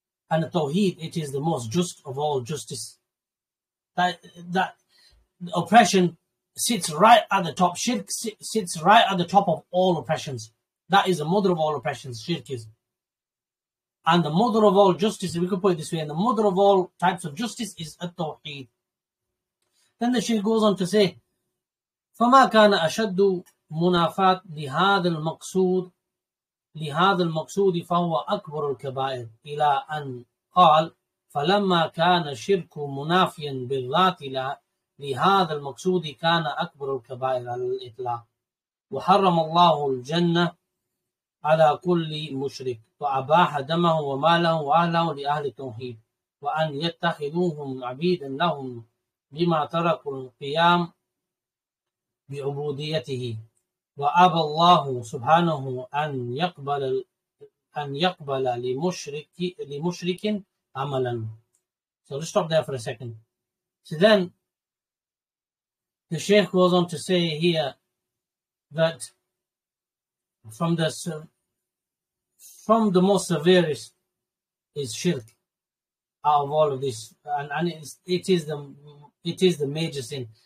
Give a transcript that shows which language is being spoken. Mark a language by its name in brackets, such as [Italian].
[English] And the Tawheed, it is the most just of all justice. That oppression sits right at the top. Shirk sits right at the top of all oppressions. That is the mother of all oppressions, shirk is. And the mother of all justice, we could put it this way, and the mother of all types of justice is a Tawheed. Then the Shaykh goes on to say, [Arabic] فَمَا كَانَ أَشَدُّ مُنَافَاتْ لِهَذَا الْمَقْصُودِ لِهَذَا الْمَقْصُودِ فَهُوَ أَكْبَرُ الْكَبَائِرِ إِلَىٰ أَنْ قَالْ فَلَمَّا كَانَ شِرْكُ مُنَافِيًا بِالْذَاتِ لهذا المقصود كان أكبر الكبائر على الإطلاق وحرم الله الجنة على كل مشرك وأباح دمه وماله وأهله لأهل التوحيد وأن يتخذوهم عبيدا لهم بما تركوا القيام بعبوديته وأبى الله سبحانه أن يقبل لمشرك عملا. [English] So let's stop there for a second. So then the Shaykh goes on to say here that from the most severe is shirk out of all of this, and it is the major sin.